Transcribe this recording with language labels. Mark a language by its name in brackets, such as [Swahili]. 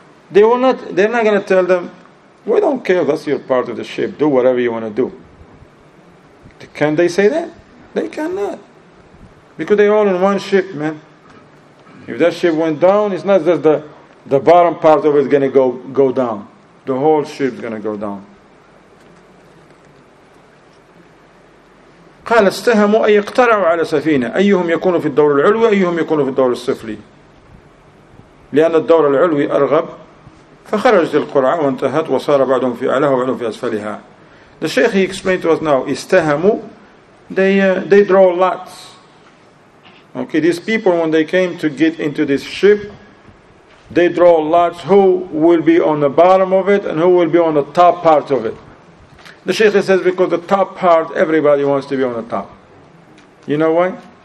[English] They're not going to tell them, we don't care, that's your part of the ship, do whatever you want to do. Can they say that? They cannot. Because they're all in one ship, man. If that ship went down, it's not just the bottom part of it is going to go down. The whole ship is going to go down. [Arabic] قال استهموا أي اقترعوا على سفينة أيهم يكون في الدور العلوي أيهم يكون في الدور السفلي لأن الدور العلوي أرغب فخرجت القرعة وانتهت وصار بعضهم في أعلاها وبعضهم في أسفلها. [English] The Sheikh, he explained to us now, استهموا, they draw lots. Okay, these people, when they came to get into this ship, they draw lots, who will be on the bottom of it and who will be on the top part of it. The Sheikh says, because the top part, everybody wants to be on the top. You know why?